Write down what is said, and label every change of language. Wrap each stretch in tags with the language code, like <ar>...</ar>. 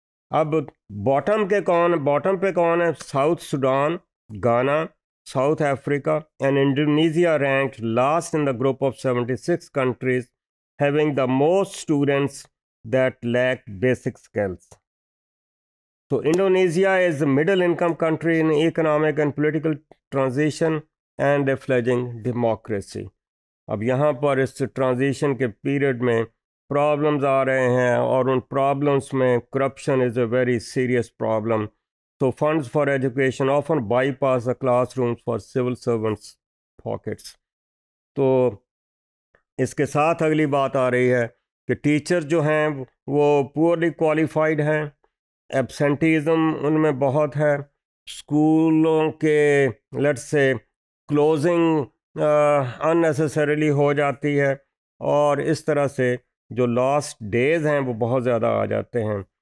<ur>اب باٹم کے کون, باٹم پہ کون ہے؟</ur> <en>South Sudan, Ghana, South Africa and Indonesia ranked last in the group of 76 countries having the most students that lack basic skills. تو Indonesia is middle income country in economic and political transition and a fledgling democracy.</en> <ur>اب یہاں پر اس transition کے period میں problems آ رہے ہیں اور ان problems میں</ur> <en>Corruption is a very serious problem. تو funds for education often bypass the classrooms for civil servants pockets.</en> <ur>تو اس کے ساتھ اگلی بات آ رہی ہے کہ ٹیچر جو ہیں وہ</ur> <en>poorly qualified</en> <ur>ہیں, ایبسنٹیزم ان میں بہت ہے, اسکولوں کے لیٹ سے کلوزنگ انیسسریلی ہو جاتی ہے اور اس طرح سے جو لاسٹ ڈیز ہیں وہ بہت زیادہ آ جاتے ہیں.</ur>